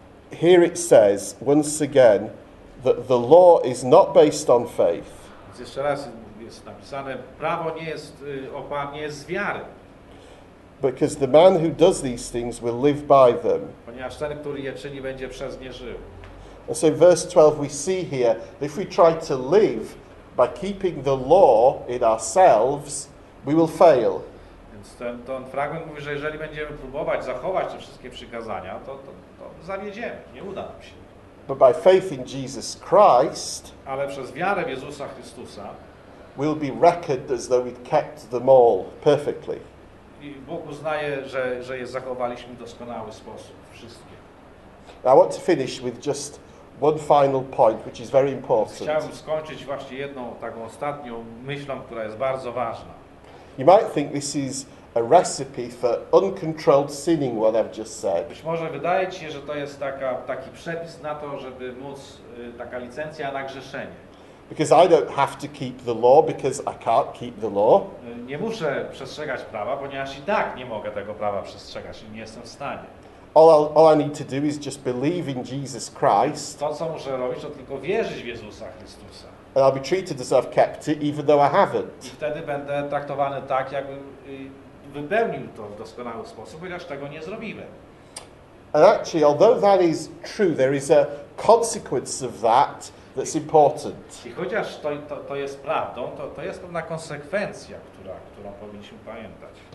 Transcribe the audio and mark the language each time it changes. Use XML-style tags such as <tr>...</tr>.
<en>Here it says once again that the law is not based on faith.</en> <pl>Jeszcze raz jest napisane, prawo nie jest oparte z wiary.</pl> <en>Because the man who does these things will live by them.</en> <pl>Ponieważ ten, który je czyni, będzie przez nie żył.</pl> <en>And so, verse 12, we see here if we try to live by keeping the law in ourselves, we will fail.</en> <pl>Więc ten fragment mówi, że jeżeli będziemy próbować zachować te wszystkie przykazania, to zawiedziemy, nie uda nam się.</pl> <en>But by faith in Jesus Christ,</en> <pl>ale przez wiarę w Jezusa Chrystusa,</pl> <en>we'll be reckoned as though we'd kept them all perfectly.</en> <pl>I Bóg uznaje, że je zachowaliśmy w doskonały sposób, wszystkie.</pl> <en>Now I want to finish with just one final point, which is very important.</en> <pl>Chciałbym skończyć właśnie jedną taką ostatnią myślą, która jest bardzo ważna.</pl> <en>You might think this is a recipe for uncontrolled sinning, what I've just said.</en> <pl>Być może wydaje ci się, że to jest taki przepis na to, żeby móc taka licencja na grzeszenie.</pl> <en>Because I don't have to keep the law, because I can't keep the law.</en> <pl>Nie muszę przestrzegać prawa, ponieważ i tak nie mogę tego prawa przestrzegać i nie jestem w stanie.</pl> <en>All I need to do is just believe in Jesus Christ.</en> <pl>To, co muszę robić, to tylko wierzyć w Jezusa Chrystusa.</pl> <en>And I'll be treated as I've kept it, even though I haven't.</en> <pl>I wtedy będę traktowany tak, jakbym wypełnił to w doskonały sposób, chociaż tego nie zrobiłem.</pl> <en>And actually, although that is true, there is a consequence of that that's important.</en> <pl>I chociaż to jest prawdą, to jest pewna konsekwencja, którą powinniśmy pamiętać.</pl>